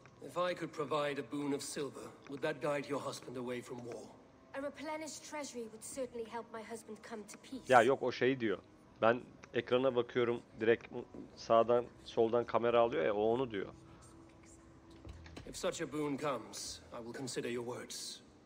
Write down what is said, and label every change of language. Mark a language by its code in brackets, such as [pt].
[en] If I could provide a boon of silver, would that guide your husband away from war? A replenished treasury would certainly help my husband come to peace. [tr] Ya yok o şey diyor. Ben ekrana bakıyorum. Direkt sağdan soldan kamera alıyor ya o onu diyor. [en] If such a boon comes, I will consider your words.